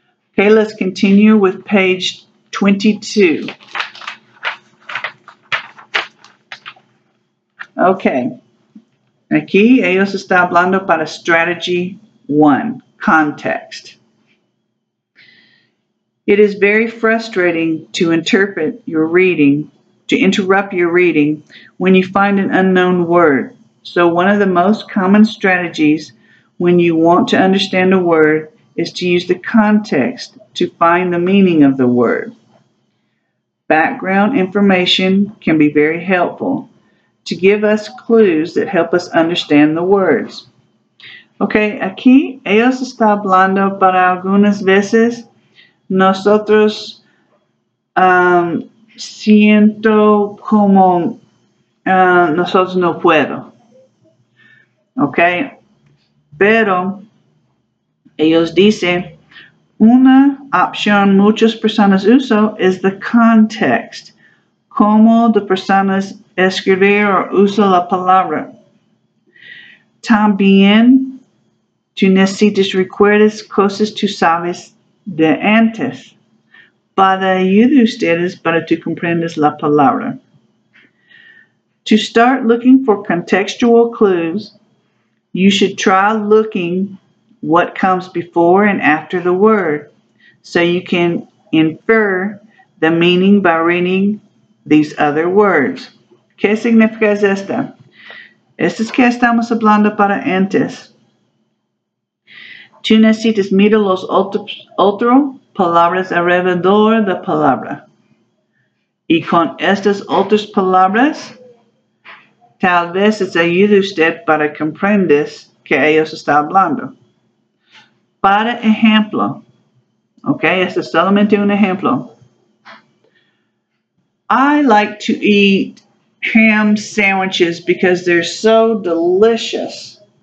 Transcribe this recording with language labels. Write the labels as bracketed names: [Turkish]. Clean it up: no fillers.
[English] Okay, let's continue with page 22. [Spanish] Okay, aquí ellos están hablando para [English] strategy one, context. It is very frustrating to interpret your reading, to interrupt your reading when you find an unknown word. So one of the most common strategies when you want to understand a word is to use the context to find the meaning of the word. Background information can be very helpful to give us clues that help us understand the words. [Spanish] Okay, aquí ellos están hablando para algunas veces. Nosotros siento como nosotros no puedo. Okay, pero ellos dicen, una opción muchas personas usan es [English] the context. [Spanish] Cómo de personas escribir o usar la palabra. También, tú necesitas recuerdos cosas tú sabes de antes. Para ayudar ustedes para tú comprendes la palabra. [English] To start looking for contextual clues, you should try looking what comes before and after the word so you can infer the meaning by reading these other words. [Spanish] ¿Qué significa es esta? Esto es que estamos hablando para antes. Tú necesitas mirar los otros palabras alrededor de palabra. Y con estas otras palabras, tal vez es ayuda usted para comprender que ellos están hablando. Para ejemplo, ok, este es solamente un ejemplo. [English] I like to eat ham sandwiches because they're so delicious.